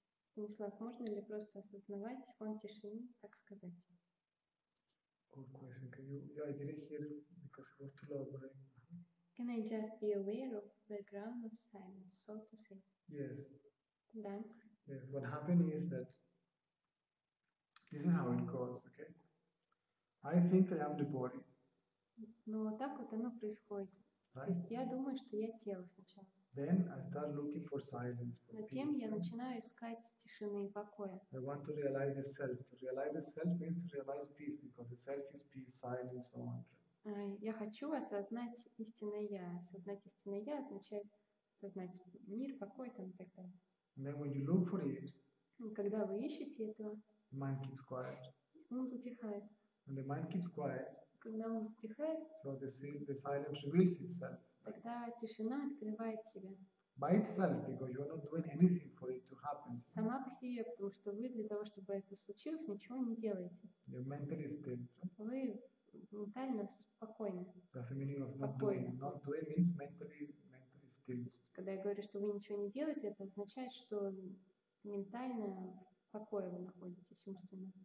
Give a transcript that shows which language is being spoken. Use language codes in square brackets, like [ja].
[ru] Станислав, можно ли просто осознавать фон тишины, так сказать? [en] Good question. I didn't hear it because it was too low, right? Can I just be aware of background of silence, so to say? Yes. [ru] Да? [en] Yes. What happened is that this is how it goes, okay? I think I am the body. [ru] Но так вот оно происходит. [en] Right? [ru] То есть я думаю, что я тело сначала. [en] Then I start looking for silence, for [ru] Затем [en] peace. [ru] Я начинаю искать тишины и покоя. [en] I want to realize the self. To realize the self means to realize peace, because the self is peace, silence, and wonder. [ru] Я хочу осознать истинное я. Осознать истинное я означает осознать мир, покой там и так далее. [en] And then when you look for it, [ru] когда вы ищете этого, [en] the mind keeps quiet. [ru] Ум затихает. [en] When the mind keeps quiet, [ru] когда ум затихает, [en] so the silence reveals itself. [ru] Тогда тишина открывает себя. [en] By itself, because you are not doing anything for it to happen. [ru] Сама по себе, потому что вы для того, чтобы это случилось, ничего не делаете. [en] Your mental is still. [ru] Вы ментально спокойны. [en] That's the meaning of not doing. Not doing means mentally still. [ru] Когда я говорю, что вы ничего не делаете, это означает, что ментально в покое вы находитесь, умственно.